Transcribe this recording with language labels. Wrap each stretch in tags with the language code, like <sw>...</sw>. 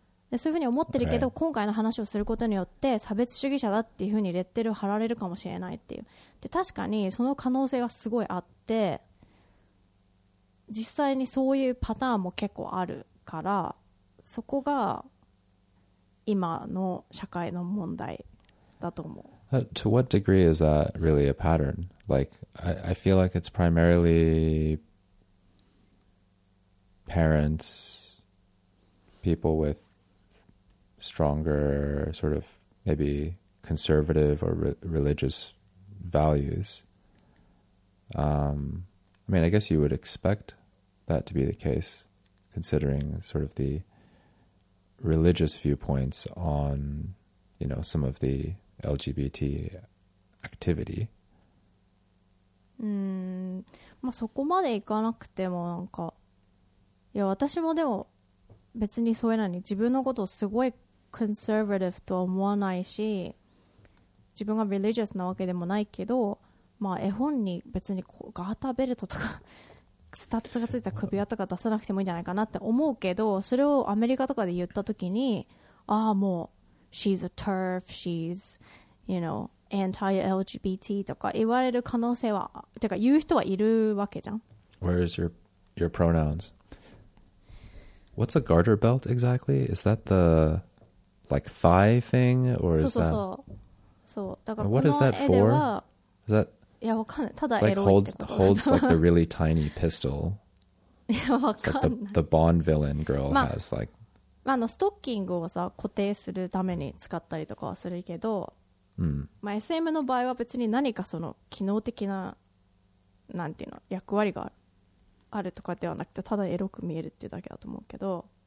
<ja>でそういうふうに思ってるけど、okay. 今回の話をすることによって差別主義者だっていうふうにレッテルを貼られるかもしれないっていう。で確かにその可能性がすごいあって、実際にそういうパターンも結構あるから、そこが今の社会の問題だと思う。</ja> <en>To what degree is that really a pattern? Like, I feel like it's primarily parents, people with stronger sort of maybe conservative or religious values. I mean, I guess you would expect that to be the case, considering sort of the religious viewpoints on, you know, some of the LGBT activity.</en> <ja>まあそこまでいかなくても、なんか、いや私もでも別にそういうのに自分のことをすごいコンサーバティブとは思わないし、自分がリリジアスなわけでもないけど、まあ絵本に別にガーターベルトとかスタッツがついた首輪とか出さなくてもいいんじゃないかなって思うけど、それをアメリカとかで言った時に、ああもう</ja> <en>She's a TERF, she's, you know, anti-LGBT</en> <ja>とか言われる可能性は、てか言う人はいるわけじゃん。</ja> <en>Where is your pronouns? What's a garter belt exactly? Is that the, like, thigh thing? Or is that...</en> <ja>そう。</ja> <en>What is that for? Is that...</en> <ja>いや、わかんない。ただエロいってこと。</ja> <en>It's like holds like the really tiny pistol.</en> <ja>いや、わかんない。</ja> <en>It's like the Bond villain girl has, like...</en> <ja>まあ、あのストッキングをさ固定するために使ったりとかはするけど、うん、まあ、SM の場合は別に何かその機能的な、なんていうの、役割があるとかではなくて、ただエロく見えるっていうだけだと思うけど、</ja>